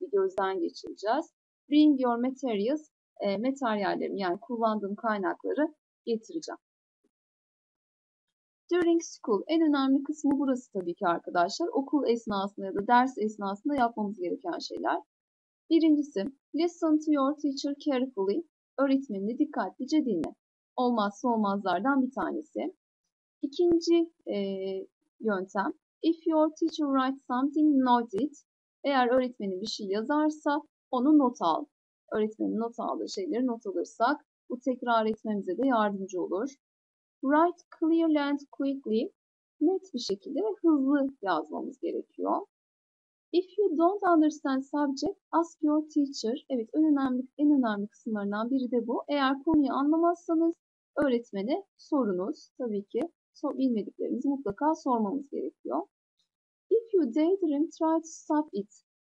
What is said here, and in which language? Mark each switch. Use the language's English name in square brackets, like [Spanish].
[Turkish] Bir gözden geçireceğiz. [English] Bring your materials. [Turkish] Materyallerimi yani kullandığım kaynakları getireceğim. During school en önemli kısmı burası tabii ki arkadaşlar. Okul esnasında ya da ders esnasında yapmamız gereken şeyler. Birincisi, [English] listen to your teacher carefully. [Turkish] Öğretmenini dikkatlice dinle. Olmazsa olmazlardan bir tanesi. İkinci yöntem, [English] if your teacher writes something, note it. [Turkish] Eğer öğretmenin bir şey yazarsa onu not al. Öğretmenin not aldığı şeyleri not alırsak bu tekrar etmemize de yardımcı olur. [English] Write clearly and quickly. [Turkish] Net bir şekilde ve hızlı yazmamız gerekiyor. [English] If you don't understand subject, ask your teacher. [Turkish] Evet, en önemli kısımlarından biri de bu. Eğer konuyu anlamazsanız öğretmene sorunuz. Tabii ki bilmediklerimizi mutlaka sormamız gerekiyor. [English] If you daydream, try to stop it.